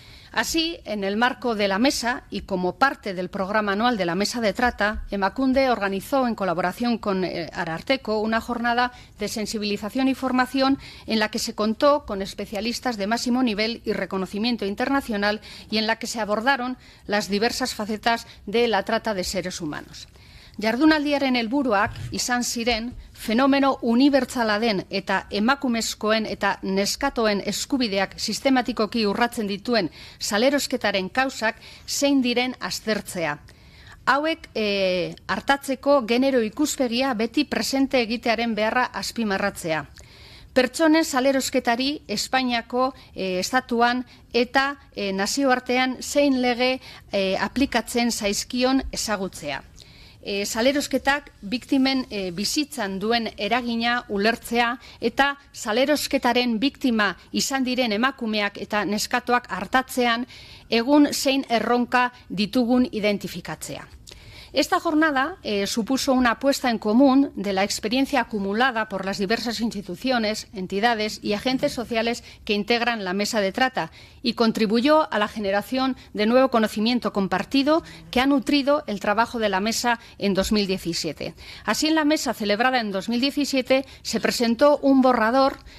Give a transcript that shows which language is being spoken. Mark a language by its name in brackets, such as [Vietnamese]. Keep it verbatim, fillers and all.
[Spanish] Así, en el marco de la mesa y como parte del programa anual de la Mesa de Trata, Emakunde organizó en colaboración con Ararteko una jornada de sensibilización y formación en la que se contó con especialistas de máximo nivel y reconocimiento internacional y en la que se abordaron las diversas facetas de la trata de seres humanos. [Basque] Jardunaldiaren helburuak izan ziren fenomeno unibertsala den eta emakumezkoen eta neskatoen eskubideak sistematikoki urratzen dituen salerosketaren kausak zein diren aztertzea. Hauek e, hartatzeko genero ikuspegia beti presente egitearen beharra azpimarratzea. Pertsonen salerosketari Espainiako e, estatuan eta e, nazioartean zein lege e, aplikatzen zaizkion ezagutzea. E, salerosketak biktimen e, bizitzan duen eragina ulertzea eta salerosketaren biktima izan diren emakumeak eta neskatoak hartatzean egun zein erronka ditugun identifikatzea. [Spanish] Esta jornada eh, supuso una apuesta en común de la experiencia acumulada por las diversas instituciones, entidades y agentes sociales que integran la Mesa de Trata y contribuyó a la generación de nuevo conocimiento compartido que ha nutrido el trabajo de la Mesa en dos mil diecisiete. Así, en la Mesa celebrada en dos mil diecisiete se presentó un borrador